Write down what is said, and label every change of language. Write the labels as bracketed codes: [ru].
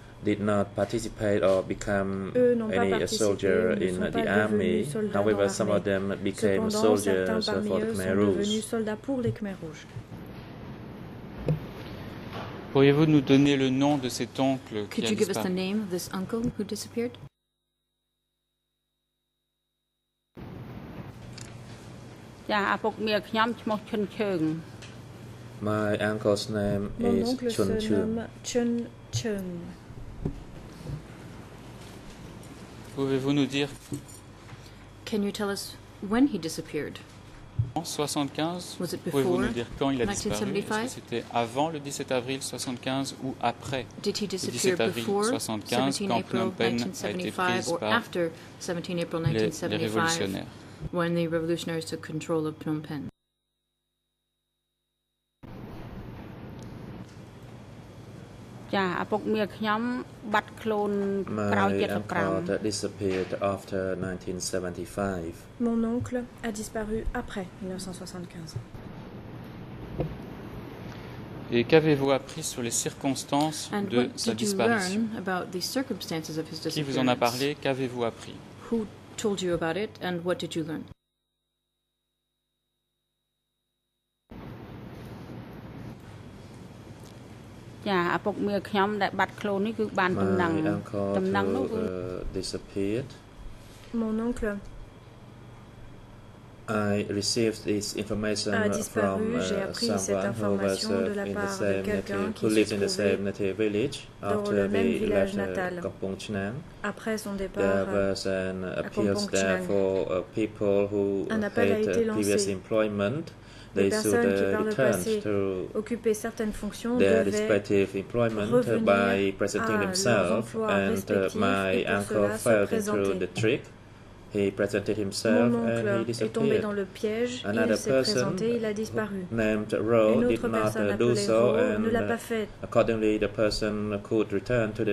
[en] did not participate or become any soldier in the army. However, some of them became soldiers for the Khmer Rouge. [fr] Sont devenus soldats pour les Khmer Rouges. Pourriez-vous nous donner le nom de cet oncle qui [en] Could [fr] a [en] you give [fr] disparu? [en] Us the name of this uncle who disappeared? My uncle's name is Chun Cheung. [fr] Pouvez-vous nous dire [en] Can you tell us when he disappeared? [fr] En 75, pouvez-vous nous dire quand il a disparu? Est-ce que c'était avant le 17 avril 75 ou après le 17 avril 75 quand Phnom Penh a été prise par les révolutionnaires? [en] When the revolutionaries took control of Phnom Penh. My uncle disappeared after 1975. [fr] Mon oncle a disparu après 1975. Et qu'avez-vous appris sur les circonstances de sa disparition? [en] And what did you learn about the circumstances of his disappearance? [fr] Qui vous en a parlé? Qu'avez-vous appris? [en] Who told you about it and what did you learn? My uncle disappeared. [fr] Mon oncle. [en] I received this information from someone who was in the same native, who lived in the same native village after [fr] le [en] he left Kampong Chenang. [fr] Après son départ, [en] there was an appeal there for people who had previous employment. [fr] Les personnes qui par le passé occupaient certaines fonctions devaient revenir [en] by presenting themselves, and my uncle fell through the trick. He presented himself and he disappeared. [fr] Mon oncle est tombé dans le piège. [en] Another [fr] il s'est présenté, il a disparu. [en] Named Ro did not do so, and [fr] ne l'a pas fait. [en] Accordingly, the person could return to the